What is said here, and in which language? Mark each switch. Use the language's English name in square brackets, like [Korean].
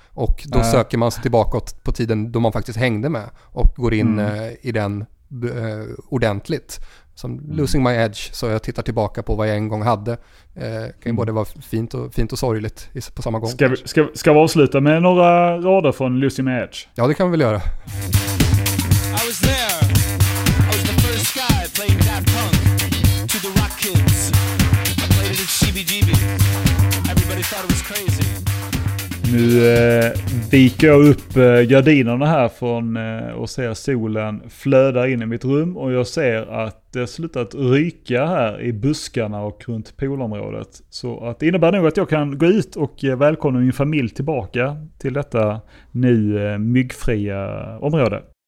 [Swedish] Och då söker man sig tillbaka på tiden då man faktiskt hängde med och går in i den ordentligt. Som losing my edge, så jag tittar tillbaka på vad jag en gång hade. Kan ju både vara fint och sorgligt på samma gång. Ska vi avsluta med några rader från Losing My Edge? Ja, det kan vi väl göra. [English] I was there. I was the first guy playing that punk to the rock kids. I played it at CBGB. Everybody thought it was crazy. [Swedish] Nu viker jag upp gardinerna här från och ser solen flöda in i mitt rum och jag ser att det har slutat ryka här i buskarna och runt poolområdet. Så att det innebär nog att jag kan gå ut och välkomna min familj tillbaka till detta nu myggfria område.